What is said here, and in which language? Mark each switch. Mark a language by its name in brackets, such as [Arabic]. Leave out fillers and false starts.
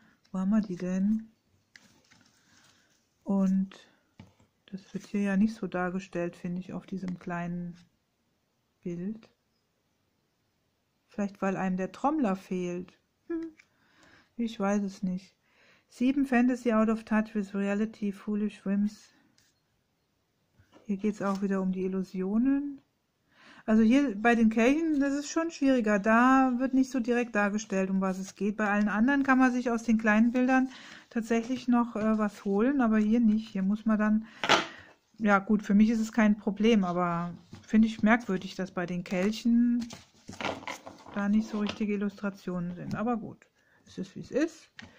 [German] Wo haben wir die denn? Und das wird hier ja nicht so dargestellt, finde ich, auf diesem kleinen Bild. Vielleicht, weil einem der Trommler fehlt. Ich weiß es nicht. [English] 7 Fantasy out of touch with reality, foolish whims. [German] Hier geht es auch wieder um die Illusionen. Also hier bei den Kelchen, das ist schon schwieriger. Da wird nicht so direkt dargestellt, um was es geht. Bei allen anderen kann man sich aus den kleinen Bildern tatsächlich noch was holen, aber hier nicht. Hier muss man dann, ja gut, für mich ist es kein Problem, aber finde ich merkwürdig, dass bei den Kelchen da nicht so richtige Illustrationen sind. Aber gut. Es ist, wie es ist.